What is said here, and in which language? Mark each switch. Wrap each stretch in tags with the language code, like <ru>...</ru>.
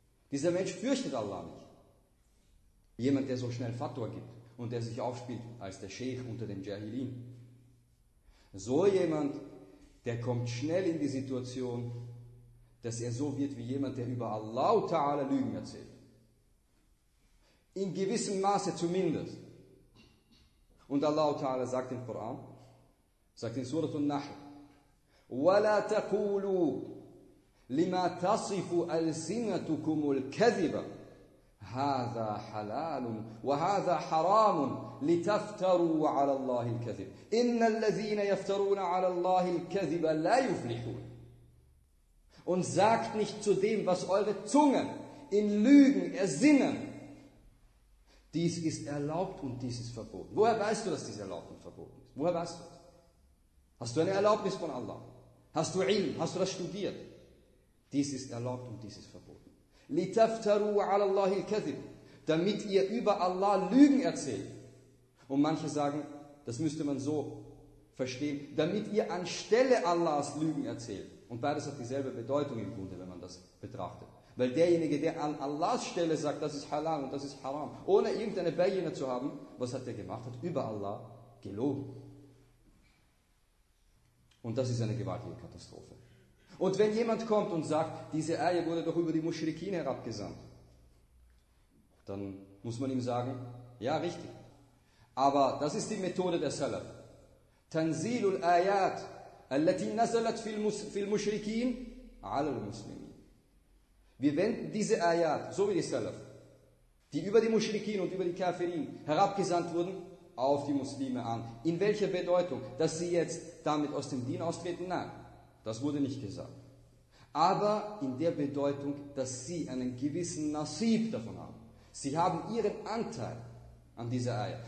<de>Dieser Mensch fürchtet Allah nicht. Jemand, der so schnell Fatwa gibt und der sich aufspielt als der Sheikh unter den Jahilin. So jemand, der kommt schnell in die Situation, dass er so wird wie jemand, der über Allah Ta'ala Lügen erzählt. In gewissem Maße zumindest.</de> <ar>Und Allah Ta'ala sagt im Koran, sagt in Surah An-Nahl, وَلَا تَقُولُوا لِمَا تَصِفُ أَلْسِنَتُكُمُ الْكَذِبَ هَذَا حَلَالٌ وَهَذَا حَرَامٌ لِتَفْتَرُوا عَلَى اللَّهِ الْكَذِبَ إِنَّ الَّذِينَ يَفْتَرُونَ عَلَى اللَّهِ الْكَذِبَ لَا يُفْلِحُونَ.</ar> <de>Und sagt nicht zu dem, was eure Zungen in Lügen ersinnen, dies ist erlaubt und dies ist verboten. Woher weißt du, dass dies erlaubt und verboten ist? Woher weißt du das? Hast du eine Erlaubnis von Allah? Hast du Ilm? Hast du das studiert? Dies ist erlaubt und dies ist verboten.</de> <ar>لِتَفْتَرُوا عَلَى اللَّهِ الْكَذِبِ.</ar> <de>Damit ihr über Allah Lügen erzählt. Und manche sagen, das müsste man so verstehen, damit ihr anstelle Allahs Lügen erzählt. Und beides hat dieselbe Bedeutung im Grunde, wenn man das betrachtet. Weil derjenige, der an Allahs Stelle sagt, das ist halal und das ist haram, ohne irgendeine Bayyina zu haben, was hat er gemacht? Hat über Allah gelogen. Und das ist eine gewaltige Katastrophe. Und wenn jemand kommt und sagt, diese Ayah wurde doch über die Mushrikin herabgesandt, dann muss man ihm sagen, ja, richtig. Aber das ist die Methode der Salaf.</de> <ar>Tanzilul Ayat, التي نزلت في المشركين على المسلمين.</ar> <de>Wir wenden diese Ayat, so wie die Salaf, die über die Mushrikin und über die Kafirin herabgesandt wurden, auf die Muslime an. In welcher Bedeutung? Dass sie jetzt damit aus dem Dien austreten? Nein, das wurde nicht gesagt. Aber in der Bedeutung, dass sie einen gewissen Nasib davon haben. Sie haben ihren Anteil an dieser Ayah.</de>